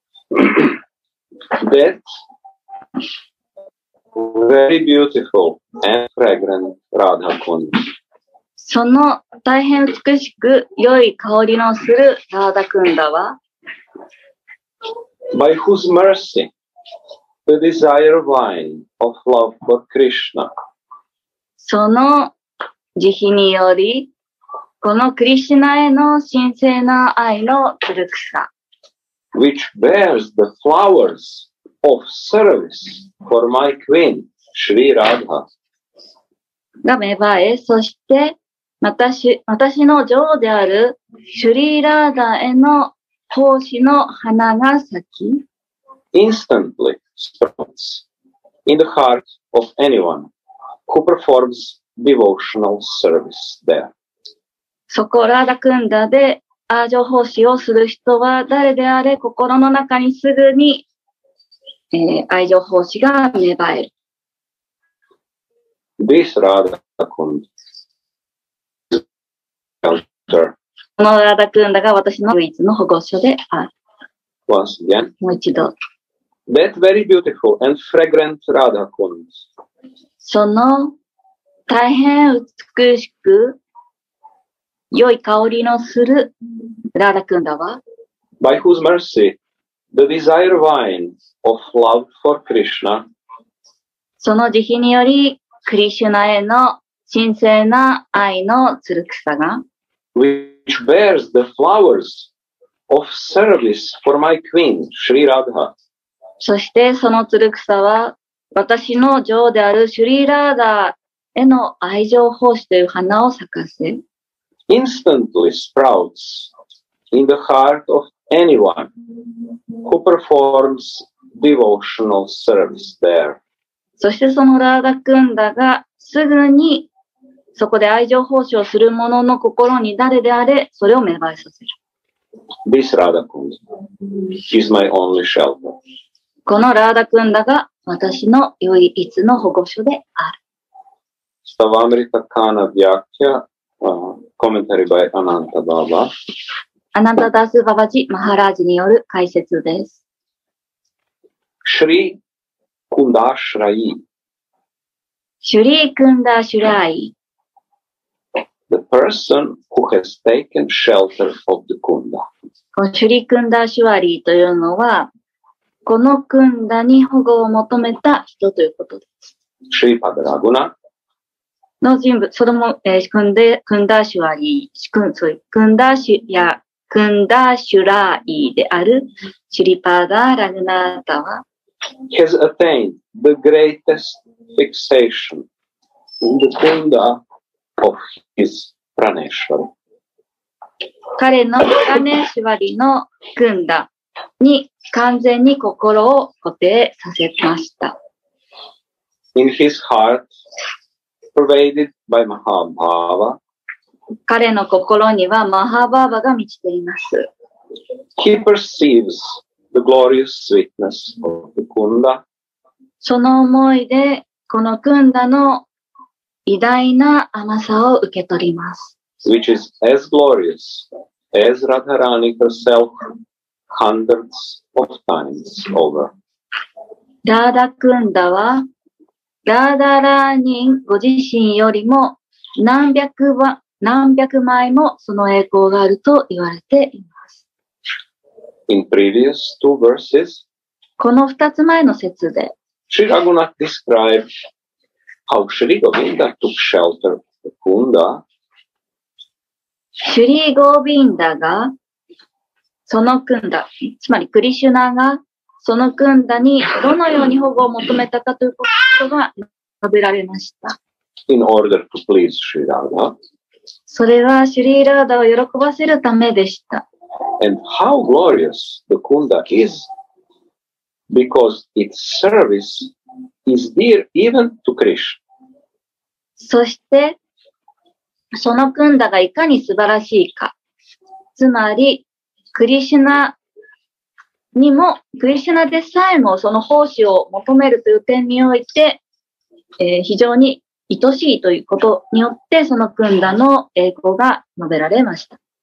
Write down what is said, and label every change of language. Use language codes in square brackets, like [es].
[en] That very beautiful and fragrant Radha Kunda. [ja] その大変美しく良い香りのするラーダクンダは、 [en] By whose mercy the desire wine of love for Krishna、 [ja] その慈悲によりこのクリシュナへの神聖な愛のつるくさ、 [en] which bears the flowers of service for my queen Sri Radha、 [ja] が芽生え、そして私の女王であるシュリーラーダへの奉仕の花が咲き、 [en] instantly sprouts in the heart of anyone who performs devotional service there. [ja] そこラーダクンダでアージョ奉仕をする人は誰であれ心の中にすぐに、愛情奉仕が芽生える。 [en] This Radha Kunda. [ja] このラダクンダが私の唯一の保護所である。 [en] Once again. [ja] もう一度。 [en] That very beautiful and fragrant Radha Kunda. [ja] その大変美しく良い香りのするラダクンダは、 [en] By whose mercy the desire wine of love for Krishna. [ja] その慈悲によりクリシュナへの神聖な愛のつるくさが、 [en] Which bears the flowers of service for my queen, Sri Radha. [ja] そしてそのつるくさは私の女王であるシュリーラーダへの愛情奉仕という花を咲かせ、 [en] instantly sprouts in the heart of anyone who performs devotional service there. [ja] そしてそのラーダクンダがすぐにそこで愛情奉仕をする者の心に誰であれそれを芽生えさせる。 [en] This Radha Kunda is my only shelter. [ja] このラーダクンダが私の唯一の保護所である。 [en] Stavamrita Kana Vyakya, commentary by Ananta Baba. [ja] Ananta Das Babaji Maharaj による解説です。 [en] Shri Kundashrayi. Shri Kundashrayi. The person who has taken shelter of the Kunda. [ja] このシュリクンダシュワリーというのは、このクンダに保護を求めた人ということです。シュリパダラグナの人物、それも、クンダシュワリー、クンダシュラーイであるシュリパダラグナータは、 [en] has attained the greatest fixation in the Kunda. Of his Praneshwari. [ja] 彼のプラネシュワリのクンダに完全に心を固定させました。 [en] In his heart, pervaded by Mahabhava, [ja] 彼の心にはマハバーバが満ちています。 [en] He perceives the glorious sweetness of the Kunda. [ja] その思いでこのクンダの偉大な甘さを受け取ります。 [en] Which is as glorious as Radharani herself hundreds of times over. [ja] ラーダクンダは、ラーダラーニンご自身よりも何百何百枚もその栄光があると言われています。 [en] In previous two verses, [ja] この二つ前の節で、 [en] Sri Raghunath describes how Sri Govinda took shelter of the Kunda. [ja] シュリー・ゴビンダが、そのクンダ、つまりクリシュナが、そのクンダにどのように保護を求めたかということが述べられました。 [en] In order to please Sri Radha. [ja] それはシュリー・ラーダを喜ばせるためでした。 [en] And how glorious the Kunda is, because its service is dear even to Krishna. [ja] そして、そのクンダがいかに素晴らしいか。つまり、クリシュナにも、クリシュナでさえもその奉仕を求めるという点において、非常に愛しいということによって、そのクンダの栄光が述べられました。